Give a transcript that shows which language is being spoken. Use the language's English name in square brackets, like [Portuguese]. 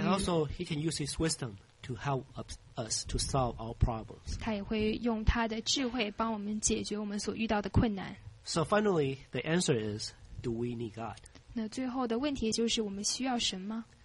[English] And also, He can use His wisdom to help us to solve our problems. [Chinese] 他也会用他的智慧帮我们解决我们所遇到的困难。 [English] So finally, the answer is, do we need God? [Chinese] 那最后的问题就是我们需要神吗？